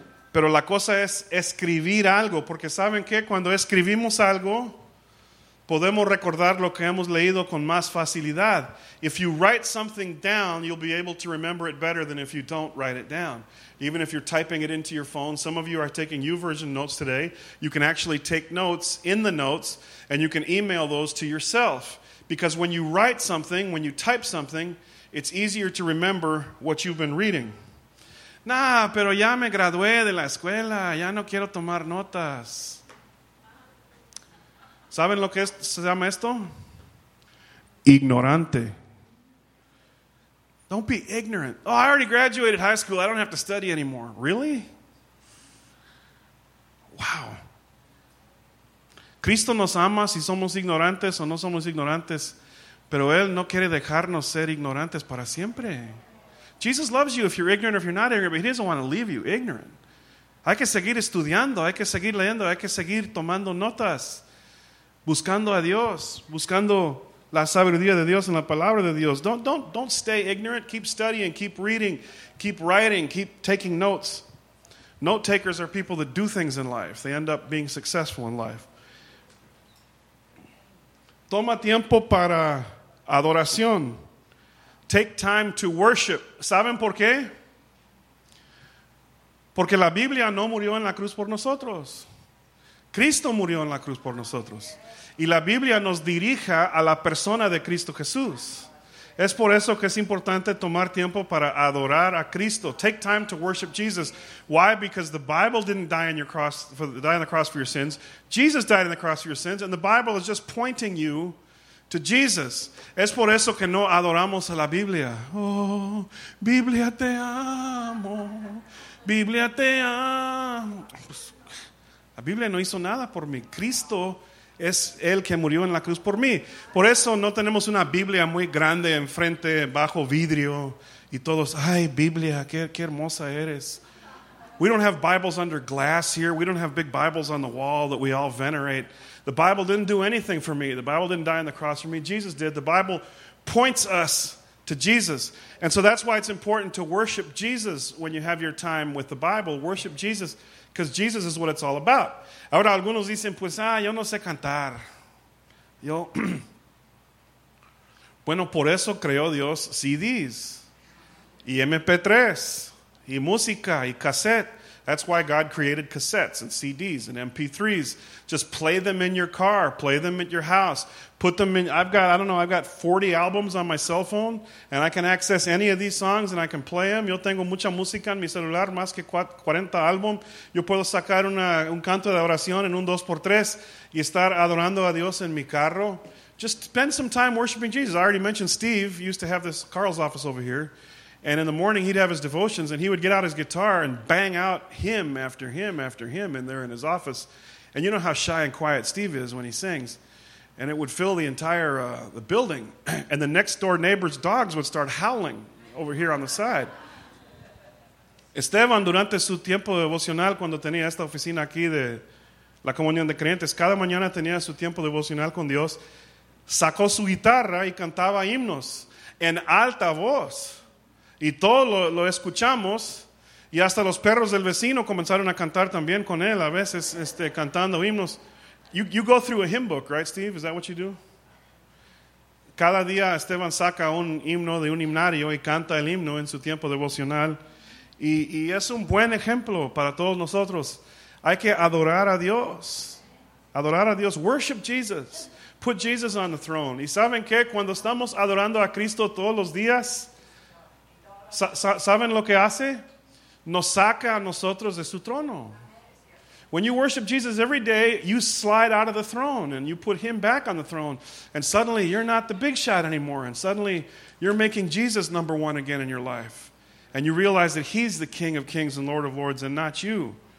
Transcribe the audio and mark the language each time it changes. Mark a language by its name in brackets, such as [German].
[Spanish] Pero la cosa es escribir algo, porque ¿saben qué? Cuando escribimos algo, podemos recordar lo que hemos leído con más facilidad. [English] If you write something down, you'll be able to remember it better than if you don't write it down. Even if you're typing it into your phone, some of you are taking YouVersion notes today. You can actually take notes in the notes, and you can email those to yourself. Because when you write something, when you type something, it's easier to remember what you've been reading. [Spanish] Nah, pero ya me gradué de la escuela. Ya no quiero tomar notas. ¿Saben lo que es, se llama esto? Ignorante. [English] Don't be ignorant. Oh, I already graduated high school. I don't have to study anymore. Really? [Spanish] Wow. Cristo nos ama si somos ignorantes o no somos ignorantes. Pero Él no quiere dejarnos ser ignorantes para siempre. [English] Jesus loves you if you're ignorant or if you're not ignorant, but He doesn't want to leave you ignorant. [Spanish] Hay que seguir estudiando, hay que seguir leyendo, hay que seguir tomando notas, buscando a Dios, buscando la sabiduría de Dios en la palabra de Dios. [English] Don't stay ignorant. Keep studying, keep reading, keep writing, keep taking notes. Note takers are people that do things in life. They end up being successful in life. [Spanish] Toma tiempo para adoración. [English] Take time to worship. [Spanish] ¿Saben por qué? Porque la Biblia no murió en la cruz por nosotros. Cristo murió en la cruz por nosotros. Y la Biblia nos dirija a la persona de Cristo Jesús. Es por eso que es importante tomar tiempo para adorar a Cristo. [English] Take time to worship Jesus. Why? Because the Bible didn't die on the cross for your sins. Jesus died on the cross for your sins. And the Bible is just pointing you to Jesus. [Spanish] Es por eso que no adoramos a la Biblia. Oh, Biblia te amo. Biblia te amo. La Biblia no hizo nada por mí. Cristo es el que murió en la cruz por mí. Por eso no tenemos una Biblia muy grande enfrente, bajo vidrio. Y todos, ay, Biblia, qué hermosa eres. [English] We don't have Bibles under glass here. We don't have big Bibles on the wall that we all venerate. The Bible didn't do anything for me. The Bible didn't die on the cross for me. Jesus did. The Bible points us to Jesus. And so that's why it's important to worship Jesus when you have your time with the Bible. Worship Jesus, because Jesus is what it's all about. [Spanish] Ahora algunos dicen, pues, ah, yo no sé cantar. Yo, bueno, por eso creó Dios [English] CDs y MP3 [Spanish] y música y cassette. [English] That's why God created cassettes and CDs and MP3s. Just play them in your car. Play them at your house. Put them in. I've got 40 albums on my cell phone, and I can access any of these songs, and I can play them. [Spanish] Yo tengo mucha música en mi celular, más que 40 albums. Yo puedo sacar un canto de oración en un 2x3 y estar adorando a Dios en mi carro. [English] Just spend some time worshiping Jesus. I already mentioned Steve used to have this Carl's office over here. And in the morning, he'd have his devotions, and he would get out his guitar and bang out hymn after hymn after hymn in there in his office. And you know how shy and quiet Steve is when he sings. And it would fill the entire the building. And the next-door neighbor's dogs would start howling over here on the side. [Spanish] Esteban, durante su tiempo devocional, cuando tenía esta oficina aquí de la comunión de creyentes, cada mañana tenía su tiempo devocional con Dios, sacó su guitarra y cantaba himnos en alta voz. Y todo lo escuchamos, y hasta los perros del vecino comenzaron a cantar también con él, a veces cantando himnos. [English] You go through a hymn book, right, Steve? Is that what you do? [Spanish] Cada día Esteban saca un himno de un himnario y canta el himno en su tiempo devocional. Y es un buen ejemplo para todos nosotros. Hay que adorar a Dios. Adorar a Dios. [English] Worship Jesus. Put Jesus on the throne. [Spanish] ¿Y saben qué? Cuando estamos adorando a Cristo todos los días, ¿saben lo que hace? Nos saca a nosotros de su trono. [English] When you worship Jesus every day, you slide out of the throne and you put him back on the throne. And suddenly you're not the big shot anymore. And suddenly you're making Jesus number one again in your life. And you realize that he's the King of Kings and Lord of Lords and not you.